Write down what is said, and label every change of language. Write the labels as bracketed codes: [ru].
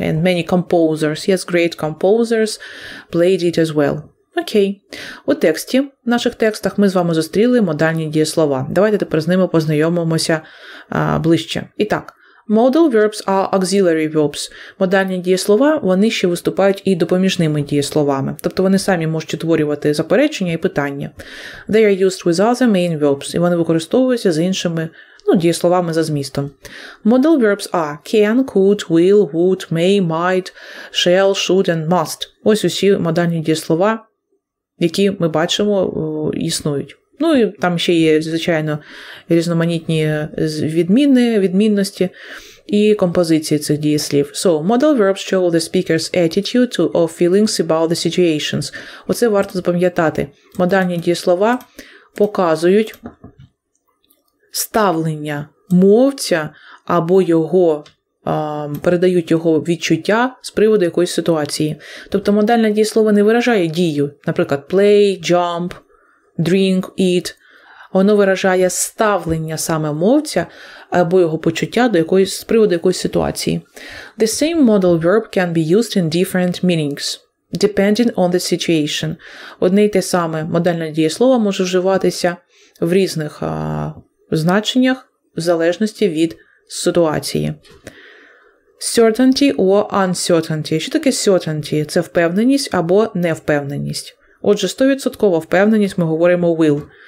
[en] And many composers, yes, great composers, played it as well. [uk] Окей. У тексті, в наших текстах, ми з вами зустріли модальні дієслова. Давайте тепер з ними познайомимося ближче. І так, [en] modal verbs are auxiliary verbs. [uk] Модальні дієслова, вони ще виступають і допоміжними дієсловами. Тобто вони самі можуть утворювати заперечення і питання. [en] They are used with other main verbs. [uk] І вони використовуються з іншими ну, дієсловами за змістом. [en] Modal verbs are can, could, will, would, may, might, shall, should and must. [uk] Ось усі модальні дієслова, які ми бачимо, існують. Ну, і там ще є, звичайно, різноманітні відмінності і композиції цих дієслів. [en] So, modal verbs show the speaker's attitude to or feelings about the situations. [uk] Оце варто запам'ятати. Модальні дієслова показують ставлення мовця або його, передають його відчуття з приводу якоїсь ситуації. Тобто модальне дієслово не виражає дію, наприклад, play, jump, drink, eat. Воно виражає ставлення саме мовця або його почуття до якоїсь, з приводу якоїсь ситуації. [en] The same modal verb can be used in different meanings, depending on the situation. [uk] Одне й те саме модальне дієслово може вживатися в різних значеннях в залежності від ситуації. [en] Certainty or uncertainty. [uk] Що таке [en] certainty? [uk] Це впевненість або невпевненість. Отже, 100% впевненість, ми говоримо will.